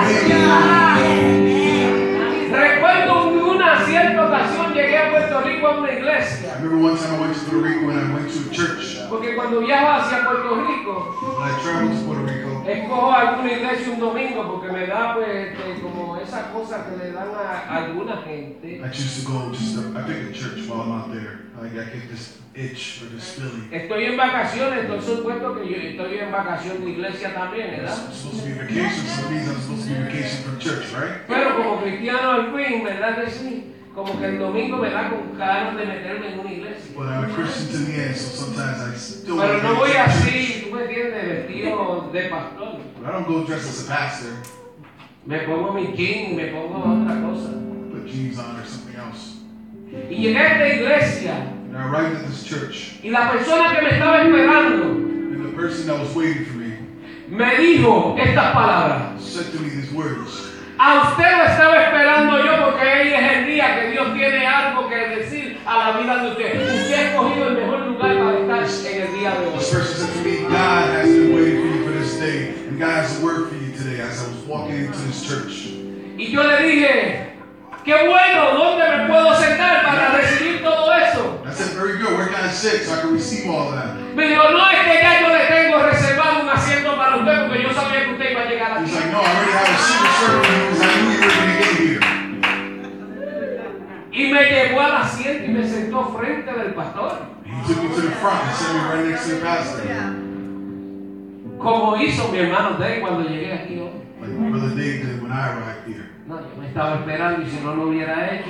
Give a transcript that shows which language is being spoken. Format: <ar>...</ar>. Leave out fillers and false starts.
<es>Recuerdo una cierta ocasión llegué a Puerto Rico a una iglesia.</es> <en>I remember one time I went to Puerto Rico and I went to a church.</en> <es>Porque cuando viajo hacia Puerto Rico,</es> <en>when I travel to Puerto Rico,</en> <es>escojo alguna iglesia un domingo porque me da pues como esas cosas que le dan a alguna gente.</es> <en>I choose to go just to, I pick a church while I'm out there. I get this itch or this feeling.</en> <es>Estoy en vacaciones, entonces supuesto que yo estoy en vacación de iglesia también, ¿verdad?</es> <en>I'm supposed to be vacation, so means I'm supposed to be vacation from church, right?</en> <es>Pero como cristiano al fin, ¿verdad que sí? Como que el domingo me da con ganas de meterme en una iglesia.</es> <en>But I'm a Christian to the end, so sometimes I still.</en> <es>Pero no voy así, tú me entiendes, vestido de pastor.</es> <en>But I don't go dressed as a pastor.</en> <es>Me pongo mi jean, me pongo otra cosa.</es> <en>Put jeans on or something else.</en> <es>Y llegué a esta iglesia.</es> <en>And I arrived at this church.</en> <es>Y la persona que me estaba esperando.</es> <en>And the person that was waiting for me.</en> <es>Me dijo estas palabras.</es> <en>Said to me these words.</en> <es>A usted lo estaba esperando yo porque hoy es el día que Dios tiene algo que decir a la vida de usted. Usted ha escogido el mejor lugar para estar en el día de hoy.</es> <en>This person said to me, God has been waiting for you for this day. And God has worked for you today as I was walking into this church.</en> <es>Y yo le dije, qué bueno, ¿dónde me puedo sentar para recibir todo eso?</es> <en>I said, very good, where can I sit so I can receive all of that?</en> <es>Me dijo, no, es que ya yo le tengo reservado un asiento para usted porque yo sabía que usted iba a llegar aquí.</es> <en>He's like, no, I already have a seat reserved for you because I knew you were going to get here.</en> <es>Y me llevó al asiento y me sentó frente del pastor.</es> <en>He took me to the front and sent me right next to the pastor.</en> <es>Como hizo mi hermano Dave cuando llegué aquí hoy.</es> <en>Like Brother Dave did when I arrived here.</en> <es>No, yo me estaba esperando y si no lo hubiera hecho.</es>